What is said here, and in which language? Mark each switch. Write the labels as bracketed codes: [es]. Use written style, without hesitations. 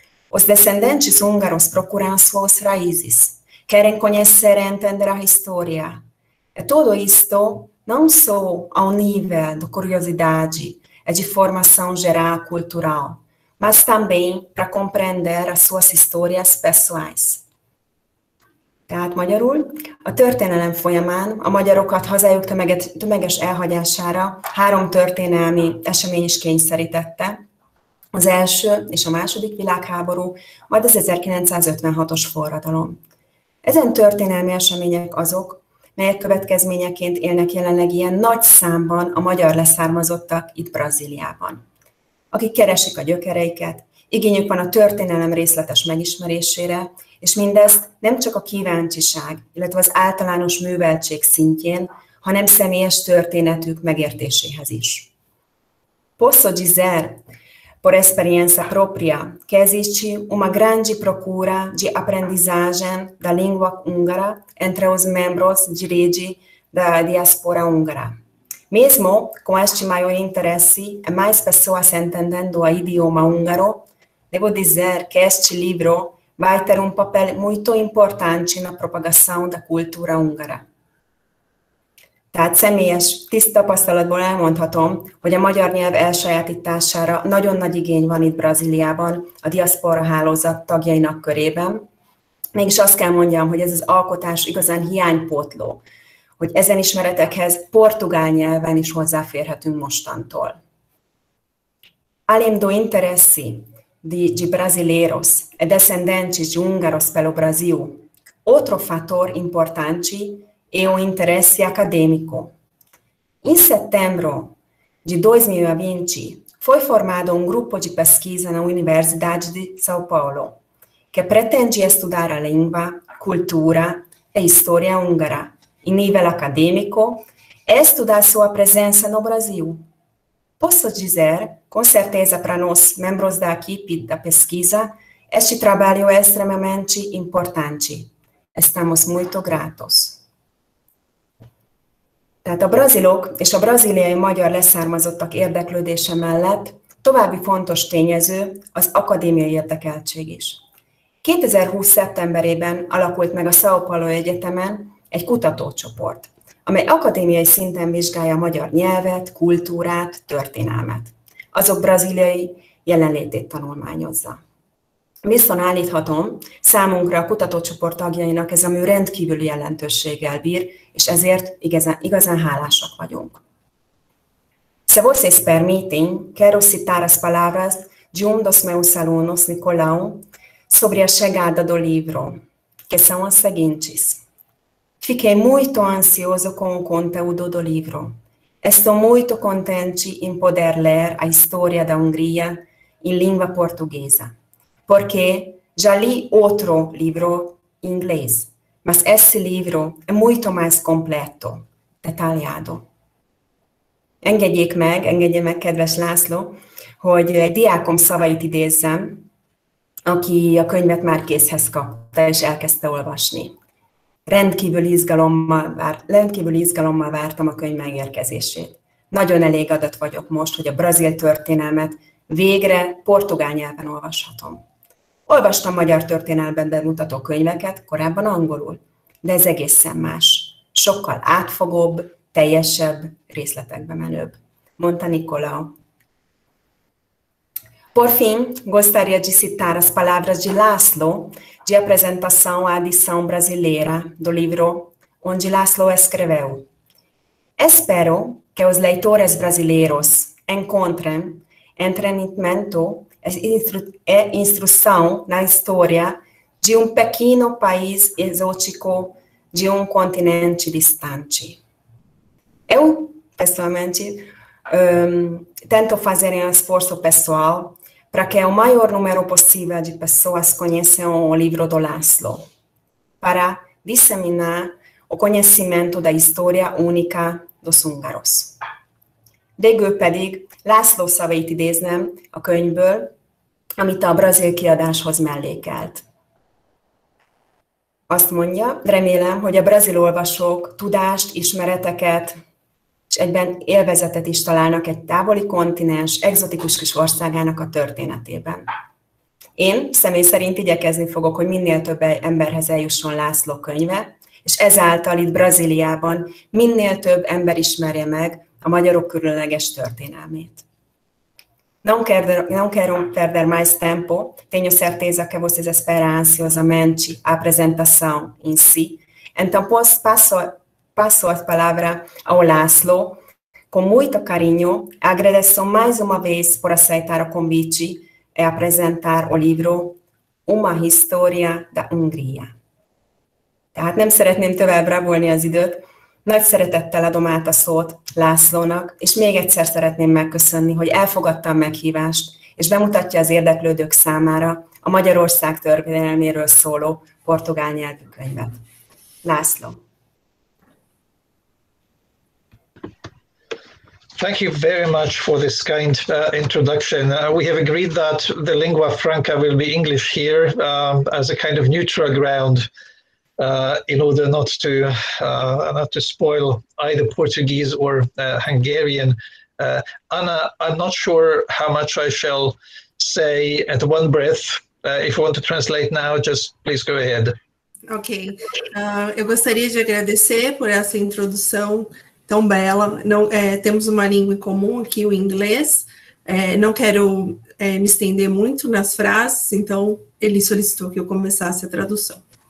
[pt] Os descendentes húngaros procuram suas raízes, querem conhecer e entender a história. E tudo isto não só ao nível de curiosidade e de formação geral cultural, mas também para compreender as suas histórias pessoais. [hu] Tehát magyarul, a történelem folyamán a magyarokat hazájuk tömeges elhagyására három történelmi esemény is kényszerítette. Az első és a második világháború, majd az 1956-os forradalom. Ezen történelmi események azok, melyek következményeként élnek jelenleg ilyen nagy számban a magyar leszármazottak itt Brazíliában. Akik keresik a gyökereiket, igényük van a történelem részletes megismerésére, és mindezt nem csak a kíváncsiság, illetve az általános műveltség szintjén, hanem személyes történetük megértéséhez is. [pt] Posso dizer, por experiência própria, que existe uma grande procura de aprendizagem da língua húngara entre os membros de rede da diáspora húngara. Mesmo com este maior interesse e mais pessoas entendendo o idioma húngaro, devo dizer que este livro vai ter um papel muito importante na propagação da cultura húngara. [hu] Tehát személyes, tiszt tapasztalatból elmondhatom, hogy a magyar nyelv elsajátítására nagyon nagy igény van itt Brazíliában, a diaszpora hálózat tagjainak körében. Mégis azt kell mondjam, hogy ez az alkotás igazán hiánypótló, hogy ezen ismeretekhez portugál nyelven is hozzáférhetünk mostantól. [pt] Além do interesse de brasileiros e descendentes de húngaros pelo Brasil, outro fator importante e o interesse acadêmico. Em setembro de 2020, foi formado um grupo de pesquisa na Universidade de São Paulo, que pretende estudar a língua, cultura e história húngara em nível acadêmico e estudar sua presença no Brasil. Posso dizer, com certeza para nós, membros da equipe da pesquisa, este trabalho é extremamente importante. Estamos muito gratos. [hu] Tehát a brazilok és a braziliai magyar leszármazottak érdeklődése mellett további fontos tényező az akadémiai érdekeltség is. 2020. szeptemberében alakult meg a São Paulo Egyetemen egy kutatócsoport, amely akadémiai szinten vizsgálja a magyar nyelvet, kultúrát, történelmet. Azok braziliai jelenlétét tanulmányozza. Viszont állíthatom, számunkra a kutatócsoport tagjainak ez a mű rendkívüli jelentőséggel bír, és ezért igazán hálásak vagyunk. [pt] Se vocês permitem, quero citar as palavras de dos meus alunos, Nicolau, sobre a chegada do livro, que são as seguintes. Fiquei muito ansioso com o conteúdo do livro. Estou muito contente em poder ler a história da Hungria em língua portuguesa. Porque já li outro livro em inglês, mas esse livro é muito mais completo, detalhado. [hu] Engedje meg, kedves László, hogy egy diákom szavait idézzem, aki a könyvet már kézhez kapta és elkezdte olvasni. Rendkívül izgalommal vártam a könyv megérkezését. Nagyon elégedett vagyok most, hogy a brazil történelmet végre portugál nyelven olvashatom. Olvastam magyar történelmet bemutató könyveket, korábban angolul, de ez egészen más. Sokkal átfogóbb, teljesebb, részletekbe menőbb, mondta Nicolau. [pt] Por fim, gostaria de citar as palavras de László, de apresentação à edição brasileira do livro onde László escreveu: espero que os leitores brasileiros encontrem entretenimento e instrução na história de um pequeno país exótico de um continente distante. Eu, pessoalmente, tento fazer um esforço pessoal para que o maior número possível de pessoas conheçam o livro do László, para disseminar o conhecimento da história única dos húngaros. [hu] Végül pedig László szavait idéznem a könyvből, amit a brazil kiadáshoz mellékelt. Azt mondja: remélem, hogy a brazil olvasók tudást, ismereteket és egyben élvezetet is találnak egy távoli kontinens, egzotikus kis országának a történetében. Én személy szerint igyekezni fogok, hogy minél több emberhez eljusson László könyve, és ezáltal itt Brazíliában minél több ember ismerje meg a magyarok különleges történelmét. [pt] Não quero perder mais tempo. Tenho certeza que vocês esperam ansiosamente a apresentação em si. Então, passo a palavra ao László. Com muito carinho, agradeço mais uma vez por aceitar o convite e apresentar o livro Uma História da Hungria. [hu] Tehát nem szeretném tovább rabolni az időt. Nagy szeretettel adom át a szót Lászlónak, és még egyszer szeretném megköszönni, hogy elfogadta a meghívást, és bemutatja az érdeklődők számára a Magyarország történelméről szóló portugál nyelvű könyvet. László. [en] Thank you very much for this kind introduction. We have agreed that the lingua franca will be English here as a kind of neutral ground. In order not to spoil either Portuguese or Hungarian. Anna, I'm not sure how much I shall say at one breath. If you want to translate now, just please go ahead. Okay. [pt] Eu gostaria de agradecer por essa introdução tão bela. Não, temos uma língua em comum aqui, o inglês. Não quero me estender muito nas frases, então ele solicitou que eu começasse a tradução.